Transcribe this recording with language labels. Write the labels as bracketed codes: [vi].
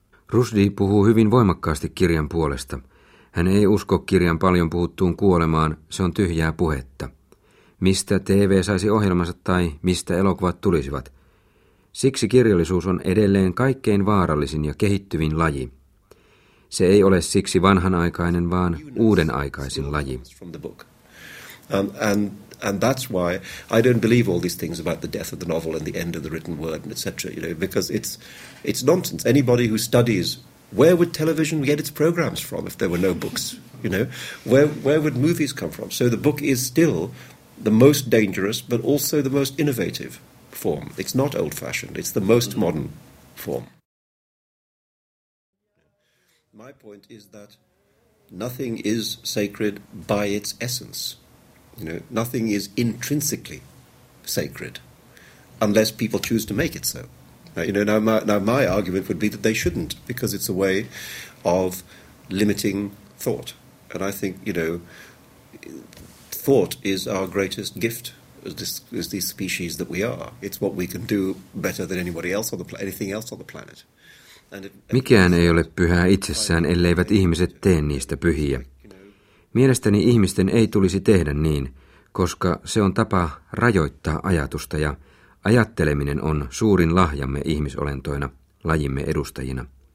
[fi] Rushdie puhuu hyvin voimakkaasti kirjan puolesta. Hän ei usko kirjan paljon puhuttuun kuolemaan, se on tyhjää puhetta. Mistä TV saisi ohjelmansa tai mistä elokuvat tulisivat? Siksi kirjallisuus on edelleen kaikkein vaarallisin ja kehittyvin laji. Se ei ole siksi vanhanaikainen, vaan uudenaikaisin laji. [en] And that's why I don't believe all these things about the death of the novel and the end of the written word and etc. You know, because it's nonsense. Anybody who studies, where would television get its programs from if there were no books? You know, where would movies come from? So the book is still the most dangerous, but also the most innovative form. It's not old-fashioned. It's the most modern form. My point is that nothing is sacred by its essence. You know, nothing is intrinsically sacred unless people choose to make it so. Now my argument would be that they shouldn't, because it's a way of limiting thought. And I think, you know, thought is our greatest gift as this species that we are. It's what we can do better than anybody else on the anything else on the planet. [fi] Mikään ei ole pyhää itsessään, elleivät ihmiset tee niistä pyhiä. Mielestäni ihmisten ei tulisi tehdä niin, koska se on tapa rajoittaa ajatusta ja ajatteleminen on suurin lahjamme ihmisolentoina, lajimme edustajina.